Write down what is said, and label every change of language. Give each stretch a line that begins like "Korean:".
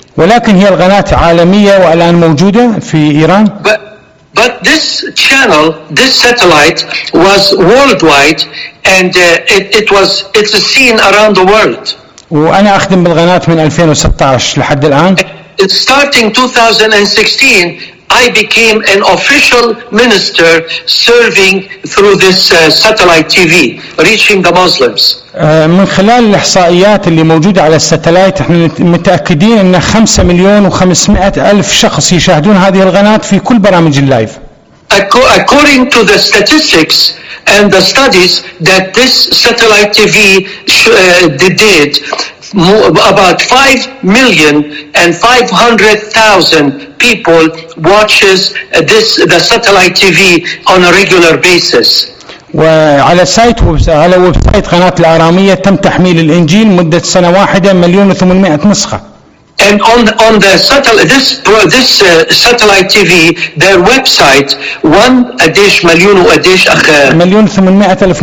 Arabic: ولكن هي القناة عالمية والآن موجودة في إيران.
English: But this channel, this satellite was worldwide and it's seen around the world.
Arabic: وأنا أخدم بالقناة من 2016 لحد الآن.
English: It's starting 2016. I became an official minister serving through this satellite TV, reaching the Muslims.
Arabic: من خلال الإحصائيات اللي موجودة على الستلايت إحنا متأكدين أن 5,500,000 شخص يشاهدون هذه القناة في كل برامج اللايف.
English: According to the statistics and the studies that this satellite TV did, about 5,500,000 people watches this the satellite TV on a regular basis.
Arabic: وعلى سايت على ويب سايت قناة الآرامية تم تحميل الإنجيل مدة سنة واحدة 1,800,000 نسخة.
English: And on the satellite this satellite TV their website 1,800,000